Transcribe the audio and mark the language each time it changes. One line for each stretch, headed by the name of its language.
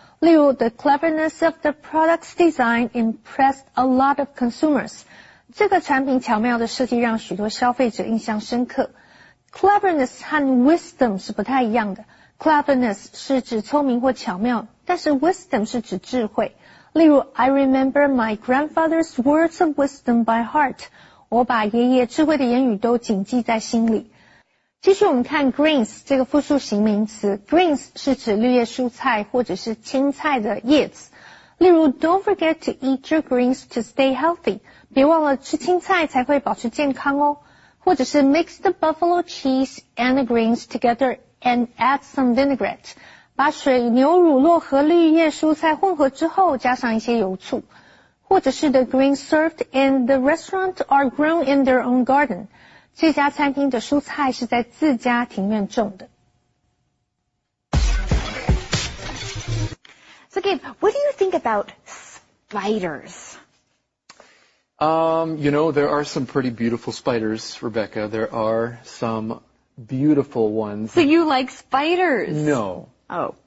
Chinese: 例如
English: the cleverness of the product's design impressed a lot of consumers.
Chinese: 这个产品巧妙的设计让许多消费者印象深刻。 Cleverness 和 wisdom 是不太一样的。Cleverness 是指聪明或巧妙，但是 wisdom 是指智慧。例如
English: I remember my grandfather's words of wisdom by heart.
Chinese: 我把爷爷智慧的言语都谨记在心里。继续我们看 greens 这个复数型名词。Greens 是指绿叶蔬菜或者是青菜的叶子。例如
English: Don't forget to eat your greens to stay healthy.
Chinese: 别忘了吃青菜才会保持健康哦。或者是
English: mix the buffalo cheese and the greens together and add some vinaigrette.
Chinese: 把水、牛乳、酪和绿叶蔬菜混合之后加上一些油醋。或者是
English: the greens served in the restaurant are grown in their own garden.
Chinese: 这家餐厅的蔬菜是在自家庭院种的。
English: So Gabe, what do you think about spiders? You know, there are some pretty beautiful spiders, Rebecca. There are some beautiful ones. So you like spiders? No. Oh.